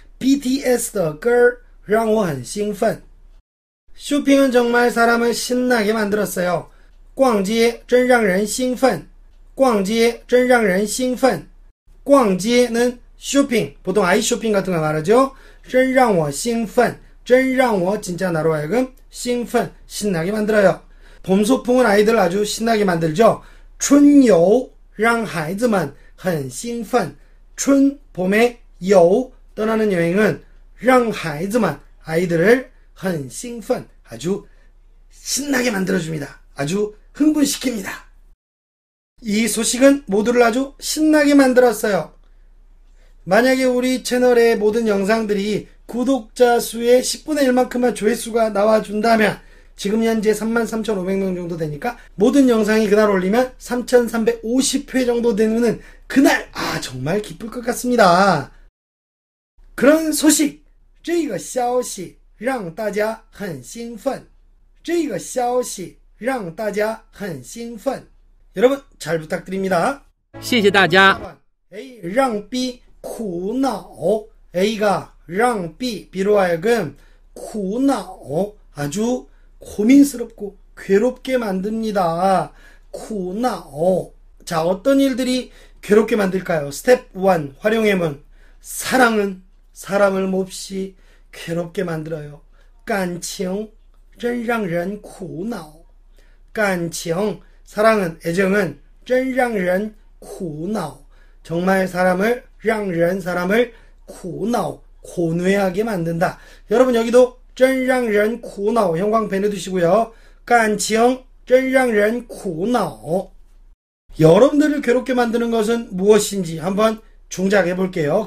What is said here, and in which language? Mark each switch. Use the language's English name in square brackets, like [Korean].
[Korean] BTS의 [Chinese] 歌让我很兴奋. [Korean] 쇼핑은 정말 사람을 신나게 만들었어요. [Chinese] 逛街真让人兴奋. [Korean] 逛街는 쇼핑, 보통 아이쇼핑 같은 거 말하죠. [Chinese] 真让我兴奋. 真让我 [Korean] 진짜 나로 하여금 兴奋, 신나게 만들어요. 봄 소풍은 아이들 아주 신나게 만들죠. [Chinese] 春游让孩子们很兴奋. [Korean] 春, 봄에 游, 떠나는 여행은 [Chinese] 让孩子们, [Korean] 아이들을 很兴奋, 아주 신나게 만들어줍니다. 아주 흥분시킵니다. 이 소식은 모두를 아주 신나게 만들었어요. 만약에 우리 채널의 모든 영상들이 구독자 수의 10분의 1만큼만 조회수가 나와준다면, 지금 현재 33,500명 정도 되니까 모든 영상이 그날 올리면 3,350회 정도 되면은 그날, 아 정말 기쁠 것 같습니다. 그런 소식, [Chinese] 这个消息让大家很兴奋.这个消息让大家很兴奋. [Korean] 여러분 잘 부탁드립니다. [Chinese] 谢谢大家. A 让 B 苦恼. [Korean] A가 让 B, 비로 하여금 苦恼, 아주 고민스럽고 괴롭게 만듭니다. [Chinese] 苦恼. [Korean] 자, 어떤 일들이 괴롭게 만들까요? 스텝 1 활용해문. 사랑은 사람을 몹시 괴롭게 만들어요. [Chinese] 感情真让人苦恼. [Korean] 感情, 사랑은, 애정은 [Chinese] 真让人苦恼. [Korean] 정말 사람을, 让人, 사람을 苦恼, 고뇌하게 만든다. 여러분 여기도 [Chinese] 真让人苦恼 [Korean] 형광펜 해두시고요. [Chinese] 感情真让人苦恼. [Korean] 여러분들을 괴롭게 만드는 것은 무엇인지 한번 중작해 볼게요.